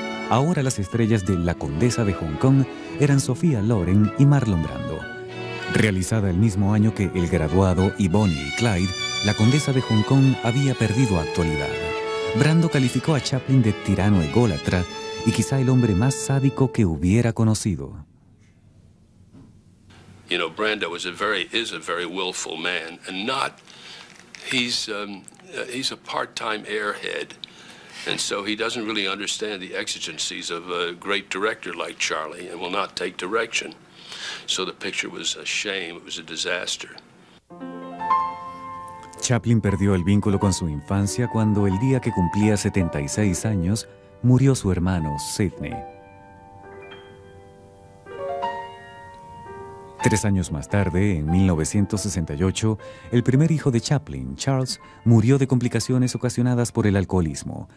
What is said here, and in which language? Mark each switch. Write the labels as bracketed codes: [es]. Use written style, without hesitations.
[es] Ahora las estrellas de La Condesa de Hong Kong eran Sophia Loren y Marlon Brando. Realizada el mismo año que El Graduado y Bonnie y Clyde, La Condesa de Hong Kong había perdido actualidad. Brando calificó a Chaplin de tirano ególatra y quizá el hombre más sádico que hubiera conocido. [en] You know, Brando is a very willful man, and not he's a part-time airhead, and so he doesn't really understand the exigencies of a great director like Charlie, and will not take direction. So the picture was a shame; it was a disaster. [es] Chaplin perdió el vínculo con su infancia cuando el día que cumplía 76 años murió su hermano Sidney. 3 años más tarde, en 1968, el primer hijo de Chaplin, Charles, murió de complicaciones ocasionadas por el alcoholismo.